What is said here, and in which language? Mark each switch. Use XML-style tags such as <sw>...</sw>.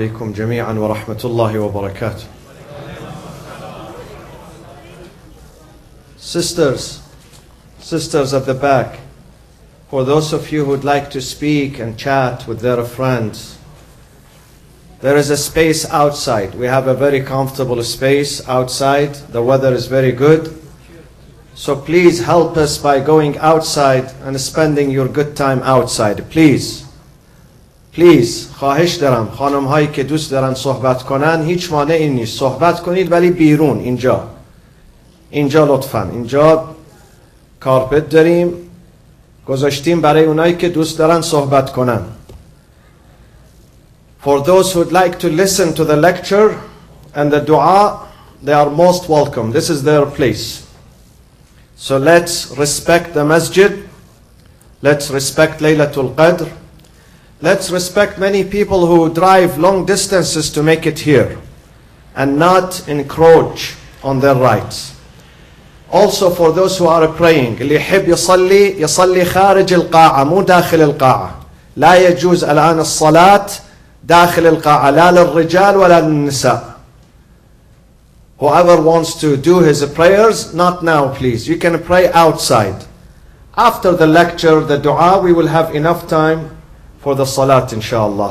<ar>السلام عليكم جميعا ورحمة الله وبركاته.</ar> <en>Sisters at the back, for those of you who'd like to speak and chat with their friends, there is a space outside. We have a very comfortable space outside. The weather is very good. So please help us by going outside and spending your good time outside. Please,</en> <fa>خواهش دارم خانم هایی که دوست دارن صحبت کنن هیچ مانعی نیست صحبت کنید ولی بیرون اینجا لطفا اینجا کارپت داریم گذاشتیم برای اونایی که دوست دارن صحبت کنن.</fa> <en>For those who'd like to listen to the lecture and the dua, they are most welcome. This is their place. So let's respect the masjid. Let's respect Laylatul Qadr. Let's respect many people who drive long distances to make it here and not encroach on their rights. Also for those who are praying,</en> <ar>اللي يحب يصلي يصلي خارج القاعة مو داخل القاعة. لا يجوز الآن الصلاة داخل القاعة لا للرجال ولا للنساء.</ar> <en>Whoever wants to do his prayers, not now please. You can pray outside. After the lecture, the dua, we will have enough time for the salat, inshallah.</en>